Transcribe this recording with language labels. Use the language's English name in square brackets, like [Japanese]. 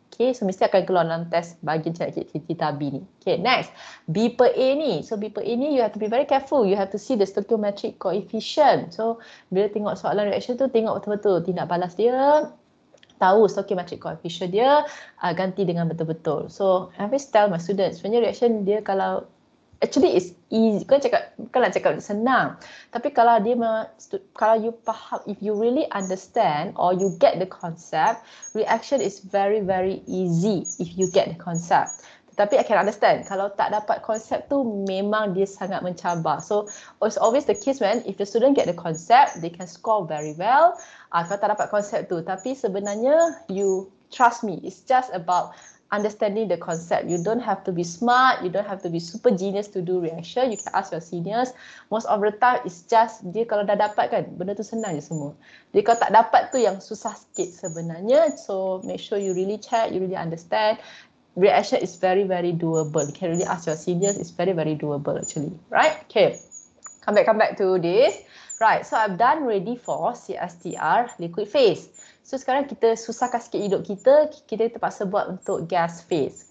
[Malay] Okay, so mesti akan keluar dalam test bagi cari theta B ni. Okay, next, B per A ni. [English] So B per A ni you have to be very careful, you have to see the stoichiometric coefficient. [Malay] So bila tengok soalan reaction tu, tengok betul-betul tindak balas dia, tahu stoichiometric coefficient dia, ganti dengan betul-betul. [English] So I always tell my students, [Malay] sebenarnya [English] reaction [Malay] dia kalau [English] actually it's easy, [Malay] kan cakap senang. Tapi kalau dia kalau [English] you [Malay] faham, [English] if you really understand or you get the concept, reaction is very very easy if you get the concept. [Malay] Tetapi [English] I can understand [Malay] kalau tak dapat konsep tu memang dia sangat mencabar. [English] So it's always the case when if the student get the concept, they can score very well. [Malay] Kalau tak dapat konsep tu, tapi sebenarnya [English] you trust me, it's just about understanding the concept. You don't have to be smart, you don't have to be super genius to do reaction. You can ask your seniors. Most of the time it's just [Malay] dia kalau dah dapat kan, benda tu senang je semua. Dia kalau tak dapat tu yang susah sikit sebenarnya. [English] So make sure you really check, you really understand. Reaction is very very doable. You can really ask your seniors, it's very very doable actually, right? Okay, come back to this. Right, so I've done ready for CSTR liquid phase. [Malay] So sekarang kita susahkan sikit hidup kita, kita terpaksa buat untuk gas phase.